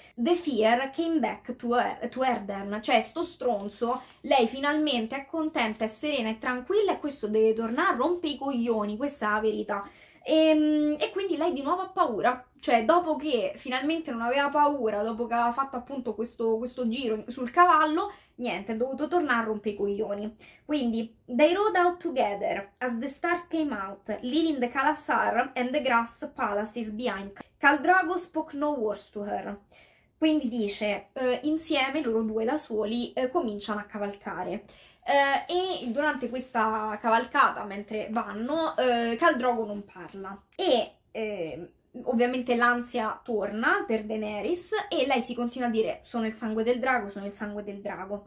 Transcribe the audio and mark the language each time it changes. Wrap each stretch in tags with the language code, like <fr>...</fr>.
<en>The Fear came back to Erden,</en> <it>cioè sto stronzo, lei finalmente è contenta, è serena e tranquilla e questo deve tornare a rompere i coglioni, questa è la verità. E quindi lei di nuovo ha paura, cioè dopo che finalmente non aveva paura, dopo che aveva fatto appunto questo giro sul cavallo, niente, è dovuto tornare a rompere i coglioni. Quindi,</it> <en>they rode out together as the star came out, leaving the Khalasar and the grass palaces behind. Khal Drogo spoke no words to her.</en> <it>Quindi dice, insieme loro due da soli cominciano a cavalcare. E durante questa cavalcata, mentre vanno, Khal Drogo non parla. E ovviamente l'ansia torna per Daenerys e lei si continua a dire: sono il sangue del drago, sono il sangue del drago.</it>